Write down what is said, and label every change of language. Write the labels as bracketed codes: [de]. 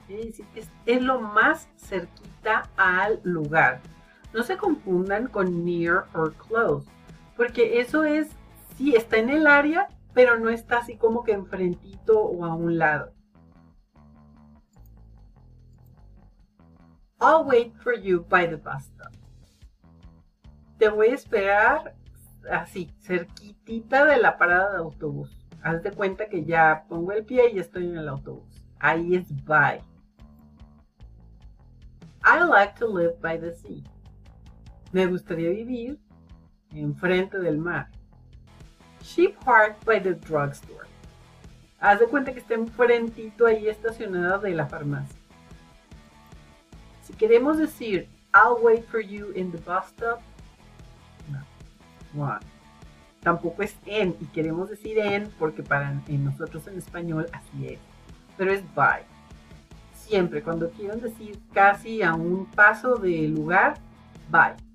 [es] Quiere decir que es lo más cerquita al lugar. No se confundan con near or close, porque eso es, sí, está en el área, pero no está así como que enfrentito o a un lado. [en] I'll wait for you by the bus stop. [es] Te voy a esperar así, cerquitita de la parada de autobús. Haz de cuenta que ya pongo el pie y estoy en el autobús. Ahí es bye. [en] I like to live by the sea. [es] Me gustaría vivir enfrente del mar. [en] She parked by the drugstore. [es] Haz de cuenta que está enfrentito ahí estacionada de la farmacia. Si queremos decir, [en] I'll wait for you in the bus stop. No. Why? [es] Tampoco es en, y queremos decir en porque para en nosotros en español así es. Pero es by. Siempre, cuando quieran decir casi a un paso de lugar, by.